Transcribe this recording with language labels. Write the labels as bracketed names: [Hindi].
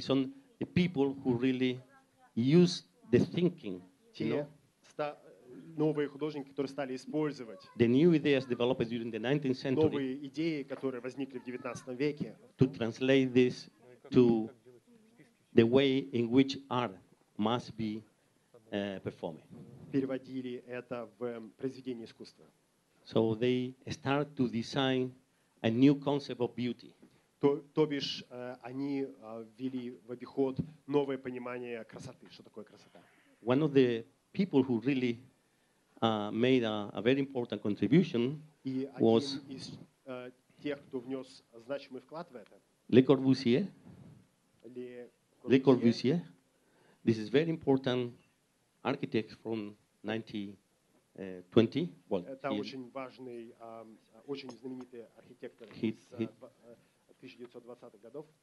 [English] So the people who really use the thinking. [Russian] Те [English] you know, [Russian] новые художники, которые стали использовать. [English] The new ideas developed during the 19th century. [Russian] Новые идеи, которые возникли в 19 веке. [English] To translate this to the way in which art must be performed. [Russian] Переводили это в произведение искусства. [English] So they start to design a new concept of beauty. [Russian] То бишь, они ввели в обиход новое понимание красоты. Что такое красота? [English] One of the people who really made a very important contribution was [Russian] из тех, кто внес значимый вклад в это. [English] Le Corbusier. Le Corbusier, this is very important architect from 1920. Well, [Russian] это очень важный, очень знаменитый архитектор из 1920-х годов.